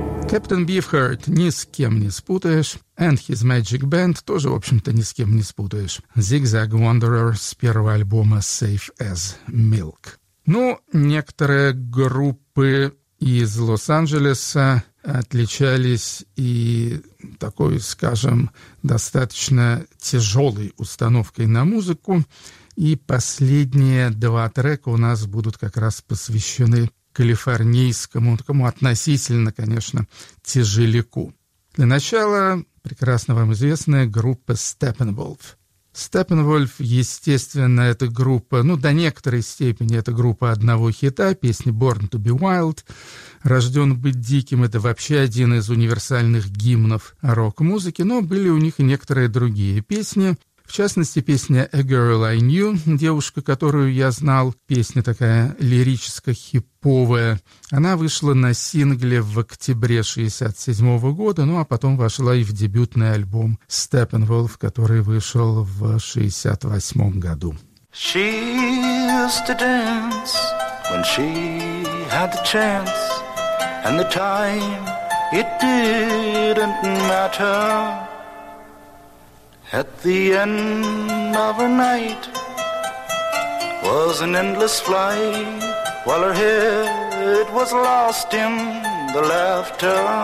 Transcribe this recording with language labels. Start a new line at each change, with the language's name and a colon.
Russian: Кэптен Бифхарт ни с кем не спутаешь,
English: and his magic band
Russian: тоже, в общем-то, ни с кем не спутаешь. Zigzag Wanderer с первого альбома Safe as Milk. Ну, некоторые группы из Лос-Анджелеса отличались и такой, скажем, достаточно тяжелой установкой на музыку, и последние два трека у нас будут как раз посвящены калифорнийскому, такому относительно, конечно, тяжеляку. Для начала прекрасно вам известная группа Steppenwolf. Steppenwolf, естественно, это группа, ну, до некоторой степени это группа одного хита, песни «Born to be Wild», «Рожден быть диким» — это вообще один из универсальных гимнов рок-музыки, но были у них и некоторые другие песни. В частности, песня «A Girl I Knew», «Девушка, которую я знал», песня такая лирическо-хиповая, она вышла на сингле в октябре 1967 года, ну а потом вошла и в дебютный альбом «Steppenwolf», который вышел в 1968 году.
English: She used to dance when she had the chance, and the time it didn't matter. At the end of her night was an endless flight, while her head was lost in the laughter.